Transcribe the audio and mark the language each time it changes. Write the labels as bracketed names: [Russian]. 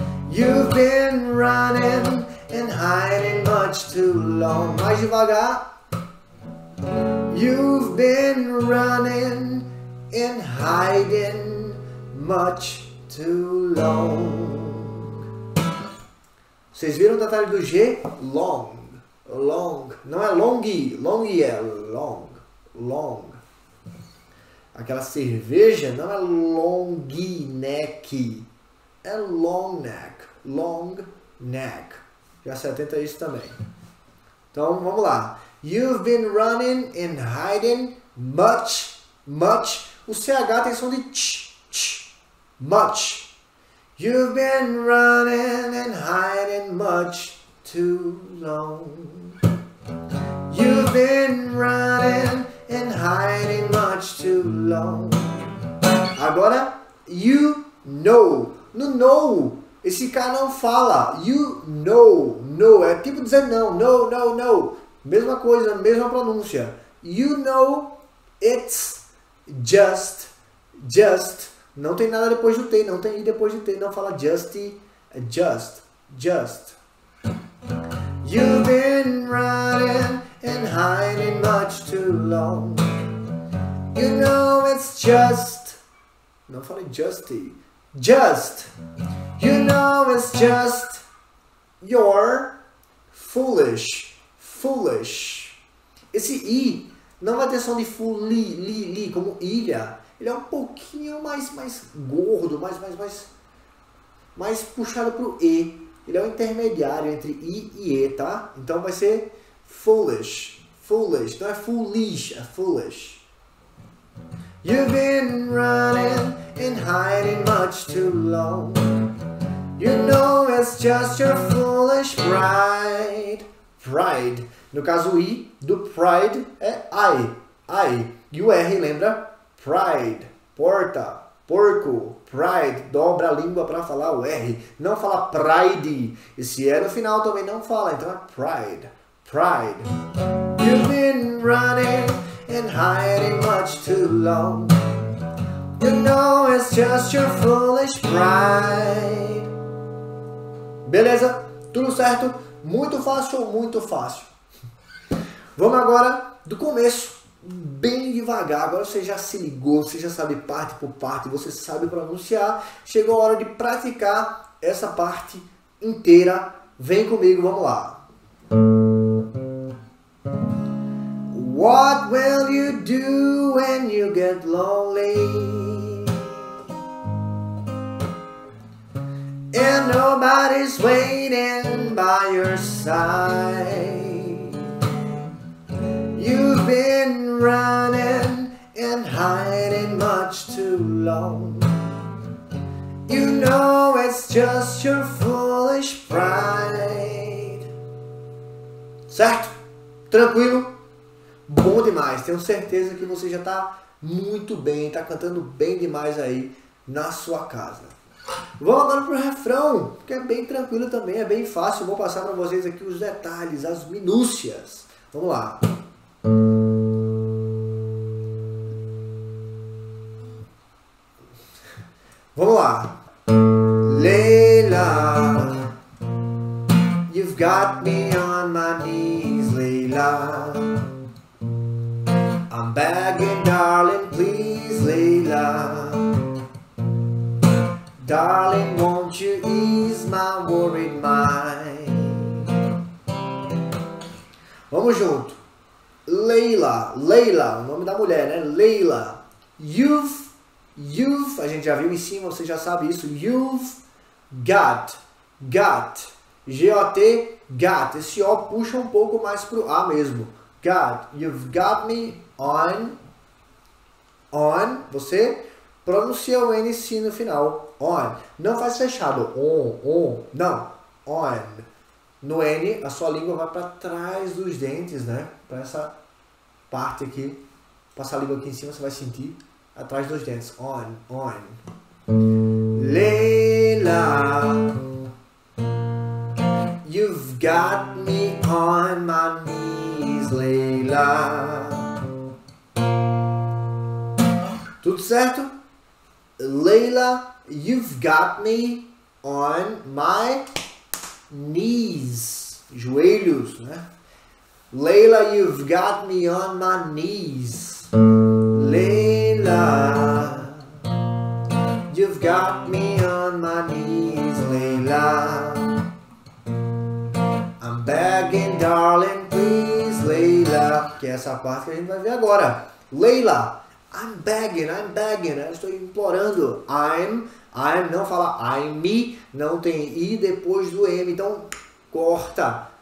[English] You've been running and hiding much too long. [Portuguese] Mais devagar. [English] You've been running and hiding much too long. [Portuguese] Vocês viram o detalhe do G? Long. Não é longi. Longi é long. Long. Aquela cerveja não é long neck, é long neck, long neck. Já se atenta a isso também. Então, vamos lá. [English] You've been running and hiding much. [Portuguese] O CH tem som de ch, ch, much. [English] You've been running and hiding much too long. You've been running and hiding much too long. [Portuguese] Agora, [English] you know. [Portuguese] No know, esse cara não fala. [English] You know, [Portuguese] no. É tipo dizer não. No, no, no. Mesma coisa, mesma pronúncia. [English] You know, it's just, just. [Portuguese] Não tem nada depois do T, não tem I depois do T. Não fala just, just, just. [English] You've been running and hiding much too long. You know it's just. [Portuguese] Não fale [English] just. Just. You know it's just. You're foolish. Foolish. [Portuguese] Esse I não vai ter som de fuli, li, li, como ilha. Ele é um pouquinho mais gordo, mais puxado pro E. Ele é o intermediário entre I e E, tá? Então vai ser foolish, foolish. Não é foolish, é foolish. [English] You've been running and hiding much too long. You know it's just your foolish pride. [Portuguese] Pride. No caso, o I do pride é I. I. E o R, lembra? Pride. Porta. Porco. Pride. Dobra a língua para falar o R. Não fala pride. E se é no final, também não fala. Então é pride. Pride. [English] You've been running and hiding much too long. You know it's just your foolish pride. [Portuguese] Beleza? Tudo certo? Muito fácil ou muito fácil? Vamos agora do começo. Bem devagar, agora você já se ligou, você já sabe parte por parte, você sabe pronunciar. Chegou a hora de praticar essa parte inteira. Vem comigo, vamos lá. [English] What will you do when you get lonely? And nobody's waiting by your side. You've been running and hiding much too long. You know it's just your foolish pride. [Portuguese] Certo? Tranquilo? Bom demais. Tenho certeza que você já está muito bem. Está cantando bem demais aí na sua casa. Vamos agora para o refrão, que é bem tranquilo também. É bem fácil. Vou passar para vocês aqui os detalhes, as minúcias. Vamos lá. Vamos lá. [English] Leila, you've got me on my knees, Leila. I'm begging, darling, please, Leila. Darling, won't you ease my worried mind? [Portuguese] Vamos junto. Leila, Leila, o nome da mulher, né? Leila, you've, a gente já viu em cima, você já sabe isso. You've got, got, G-O-T, got. Esse O puxa um pouco mais pro A mesmo. Got, [English] you've got me on, [Portuguese] on. Você pronuncia o N sim no final, on. Não faz fechado, on, on, não, on. No N, a sua língua vai para trás dos dentes, né? Para essa parte aqui, passar a língua aqui em cima, você vai sentir atrás dos dentes. On, on. [English] Leila, you've got me on my knees, Leila. [Portuguese] Tudo certo? [English] Leila, you've got me on my knees. [Portuguese] Joelhos, né? [English] Leila, you've got me on my knees. Leila, you've got me on my knees, Leila. I'm begging, darling, please, Leila. [Portuguese] Que é essa parte que a gente vai ver agora. Leila, [English] I'm begging, [Portuguese] eu estou implorando. I'm, não fala I'm me, não tem I depois do M, então corta.